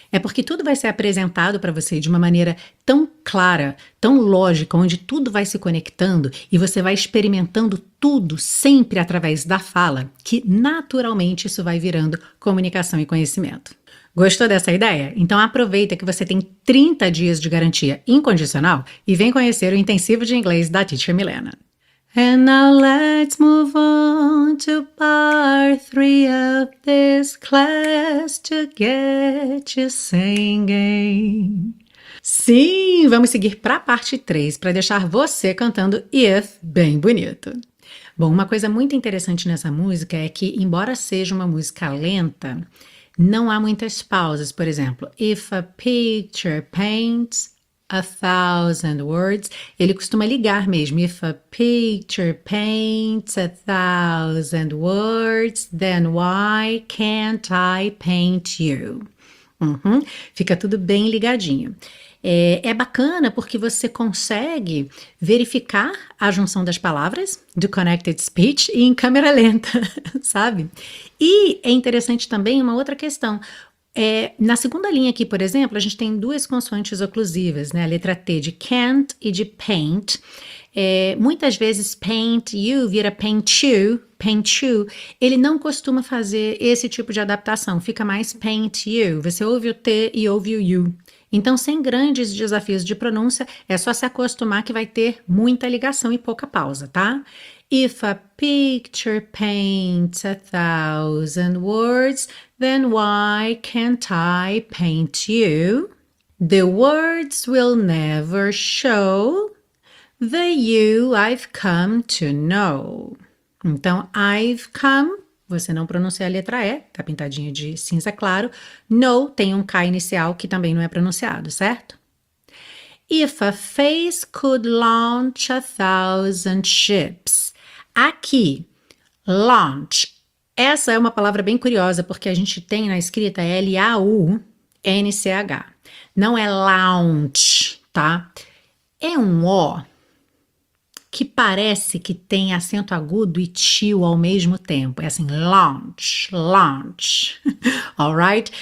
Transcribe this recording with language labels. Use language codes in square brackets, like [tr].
[pt] É porque tudo vai ser apresentado para você de uma maneira tão clara, tão lógica, onde tudo vai se conectando e você vai experimentando tudo sempre através da fala, que naturalmente isso vai virando comunicação e conhecimento. Gostou dessa ideia? Então aproveita que você tem 30 dias de garantia incondicional e vem conhecer o Intensivo de Inglês da Teacher Milena. [en] And now let's move on to part three of this class to get you singing. [pt] Sim, vamos seguir para a parte 3 para deixar você cantando If bem bonito. Bom, uma coisa muito interessante nessa música é que, embora seja uma música lenta, não há muitas pausas. Por exemplo, [en] If a picture paints A thousand words. [pt] Ele costuma ligar mesmo. [en] If a picture paints a thousand words, then why can't I paint you? [pt] Fica tudo bem ligadinho. É bacana porque você consegue verificar a junção das palavras do Connected Speech em câmera lenta, sabe? E é interessante também uma outra questão. Na segunda linha aqui, por exemplo, a gente tem duas consoantes oclusivas, né? A letra T de can't e de paint. Muitas vezes paint you vira paint you, ele não costuma fazer esse tipo de adaptação, fica mais paint you. Você ouve o T e ouve o U. Então, sem grandes desafios de pronúncia, é só se acostumar que vai ter muita ligação e pouca pausa, tá? [en] If a picture paints a thousand words, then why can't I paint you? The words will never show the you I've come to know. [pt] Então, [en] I've come, [pt] você não pronuncia a letra E, tá pintadinha de cinza claro. No tem um K inicial que também não é pronunciado, certo? [en] If a face could launch a thousand ships. [pt] Aqui, launch. Essa é uma palavra bem curiosa porque a gente tem na escrita LAUNCH. Não é launch, tá? É um O que parece que tem acento agudo e tio ao mesmo tempo. É assim, launch, launch. [en] All right?